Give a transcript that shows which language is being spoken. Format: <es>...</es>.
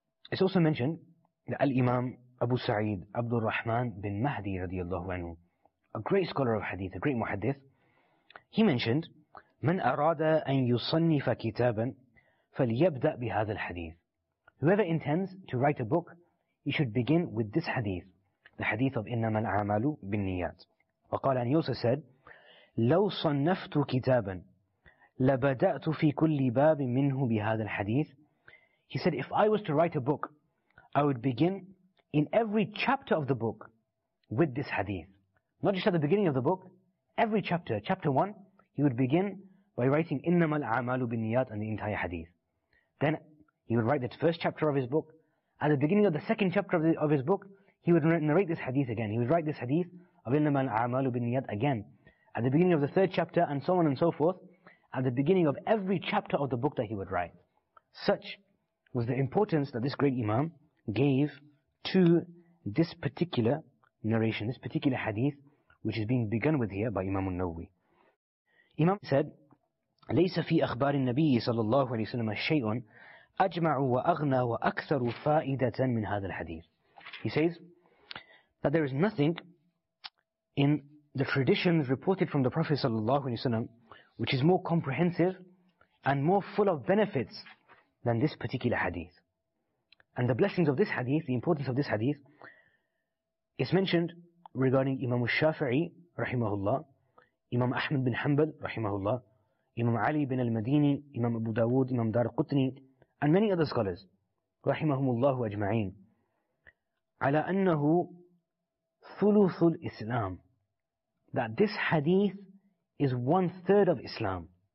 <en>It's also mentioned that Al-Imam Abu Sa'id Abdul Rahman bin Mahdi radiyallahu anhu, a great scholar of hadith, a great muhaddith, he mentioned,</en> <ar>مَنْ أَرَادَ أَنْ يُصَنِّفَ كِتَابًا فَلْيَبْدَأْ بِهَذَا الْحَدِيثِ.</ar> <en>Whoever intends to write a book, he should begin with this hadith, the hadith of</en> <ar>إِنَّمَا الْعَمَالُ بِالنِّيَّاتِ. وَقَالَ,</ar> <en>and he also said,</en> <ar>لَوْ صَنَّفْتُ كِتَابًا لَبَدَأْتُ فِي كُلِّ بَابٍ مِّنْهُ بِهَذَا الْحَدِيثِ.</ar> <en>He said, if I was to write a book, I would begin in every chapter of the book with this hadith. Not just at the beginning of the book, every chapter. Chapter 1, he would begin by writing</en> <ar>إِنَّمَا الْعَمَالُ بِالنِّيَّاتِ</ar> <en>and the entire hadith. Then he would write the first chapter of his book. At the beginning of the second chapter of his book, he would narrate this hadith again. He would write this hadith of</en> <ar>إِنَّمَا الْعَمَالُ بِالنِّيَّاتِ</ar> <en>again. At the beginning of the third chapter, and so on and so forth. At the beginning of every chapter of the book that he would write. Such was the importance that this great Imam gave to this particular narration, this particular hadith, which is being begun with here by Imam al-Nawwi. Imam said,</en> <ar>لَيْسَ فِي أَخْبَارِ النَّبِيِّ صَلَى اللَّهُ عَلَيْهِ وَسَلَّمَ شَيْءٌ أجمع وأغنى وأكثر فائدة من هذا الحديث.</ar> <en>He says that there is nothing in the traditions reported from the Prophet صلى الله عليه وسلم which is more comprehensive and more full of benefits than this particular hadith. And the blessings of this hadith, the importance of this hadith, is mentioned regarding Imam al-Shafi'i rahimahullah, Imam Ahmad bin Hanbal rahimahullah, Imam Ali bin al-Madini, Imam Abu Dawood, Imam Dar Qutni, and many other scholars, rahimahumullahu ajma'in,</en> <ar>ala annahu thuluthul Islam,</ar> <en>that this hadith is one third of Islam.</en>